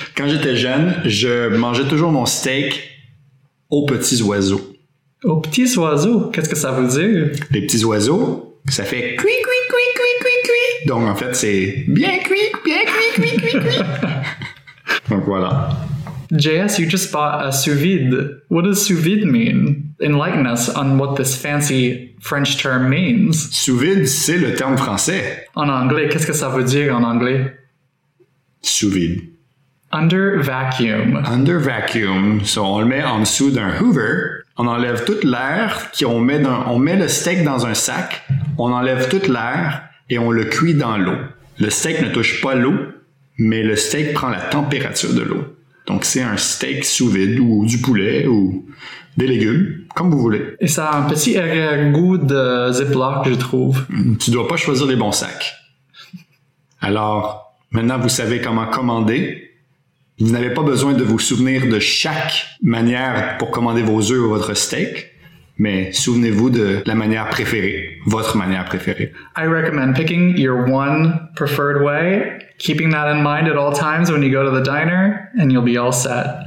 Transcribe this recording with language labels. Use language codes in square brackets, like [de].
[fr] Quand j'étais jeune, je mangeais toujours mon steak aux petits oiseaux. Aux petits oiseaux? Qu'est-ce que ça veut dire? Les petits oiseaux, ça fait « cuit, cuit, cuit, cuit, cuit, cuit ». Donc en fait, c'est « bien cuit, cuit, cuit, cuit ». Donc voilà. [en] JS, you just bought a sous vide. What does sous vide mean? Enlighten us on what this fancy French term means. [fr] Sous vide, c'est le terme français. En anglais, qu'est-ce que ça veut dire en anglais? Sous vide. [en] Under vacuum. Under vacuum. So [fr] on le met en dessous d'un Hoover. On enlève toute l'air. On met le steak dans un sac. On enlève toute l'air et on le cuit dans l'eau. Le steak ne touche pas l'eau, mais le steak prend la température de l'eau. Donc, c'est un steak sous vide ou du poulet ou des légumes, comme vous voulez. Et ça a un petit goût de Ziploc, je trouve. Tu dois pas choisir les bons sacs. Alors, maintenant, vous savez comment commander. Vous n'avez pas besoin de vous souvenir de chaque manière pour commander vos œufs ou votre steak, mais souvenez-vous de la manière préférée, votre manière préférée. [en] I recommend picking your one preferred way. Keeping that in mind at all times when you go to the diner, and you'll be all set.